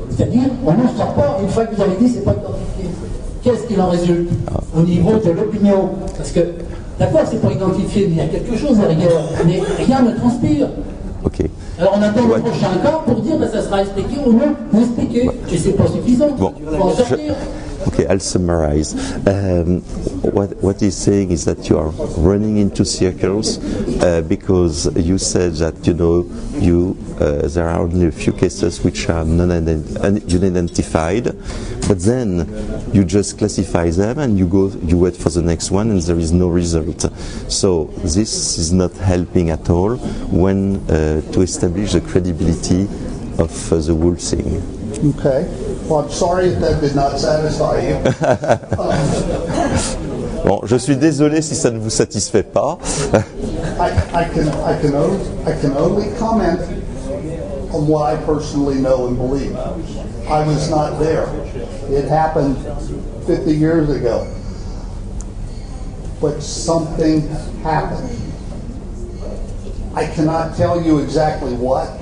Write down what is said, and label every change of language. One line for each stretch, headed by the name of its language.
French: C'est-à-dire, on n'en sort pas une fois que vous avez dit c'est pas identifié. Qu'est-ce qu'il en résulte au niveau de l'opinion? Parce que, d'accord, c'est pour identifier, mais il y a quelque chose derrière, mais rien ne transpire.
English: Okay.
French: Alors on attend le prochain cas pour dire que ça sera expliqué ou non expliqué. Ouais. Et c'est pas suffisant pour en sortir.
English: Okay, I'll summarize. What he's saying is that you are running into circles because you said that there are only a few cases which are unidentified, but then you just classify them and you wait for the next one and there is no result. So this is not helping at all when to establish the credibility of the whole thing. Okay. Well, I'm sorry if that did not satisfy you.
French: Bon, je suis désolé si ça ne vous satisfait pas.
English: I can only comment on what I personally know and believe. I was not there. It happened 50 years ago. But something happened. I cannot tell you exactly what.